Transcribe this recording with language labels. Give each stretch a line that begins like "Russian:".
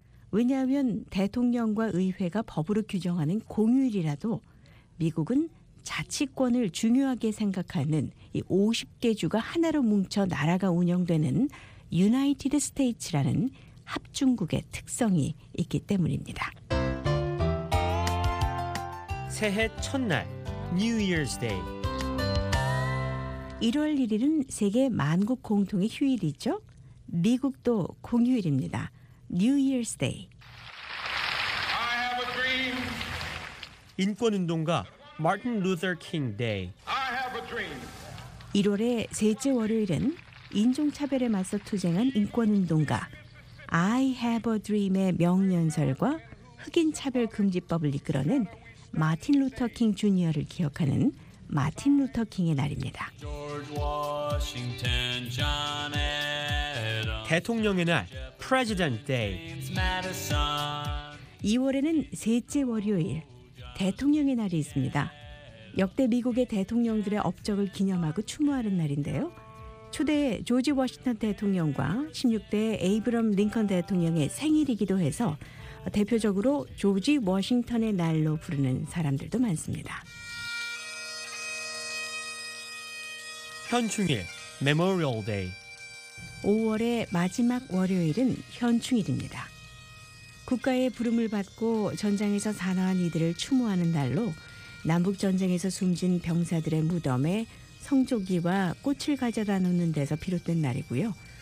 Korean: 왜냐하면 대통령과 의회가 법으로 규정하는 공휴일이라도 미국은 자치권을 중요하게 생각하는 이 50개 주가 하나로 뭉쳐 나라가 운영되는 유나이티드 스테이츠라는 합중국의 특성이 있기 때문입니다. 새해 첫날, New Year's Day. 1월 1일은 세계 만국 공통의 휴일이죠. 미국도 공휴일입니다. New Year's Day.
English: I have a dream.
Korean: 인권운동가 Martin Luther King Day.
English: I have a dream.
Korean: 1월의 셋째 월요일은 인종차별에 맞서 투쟁한 인권운동가
English: I have a dream
Korean: 의 명연설과 흑인차별금지법을 이끌어낸 마틴 루터 킹 주니어를 기억하는 마틴 루터 킹의 날입니다. 대통령의 날, President Day. 2월에는 셋째 월요일, 대통령의 날이 있습니다. 역대 미국의 대통령들의 업적을 기념하고 추모하는 날인데요. 초대 조지 워싱턴 대통령과 16대 에이브럼 링컨 대통령의 생일이기도 해서 대표적으로 조지 워싱턴의 날로 부르는 사람들도 많습니다. 현충일, Memorial Day. 5월의 마지막 월요일은 현충일입니다. 국가의 부름을 받고 전장에서 사나운 이들을 추모하는 날로 남북전쟁에서 숨진 병사들의 무덤에 성조기와 꽃을 가져다 놓는 데서 비롯된 날이고요.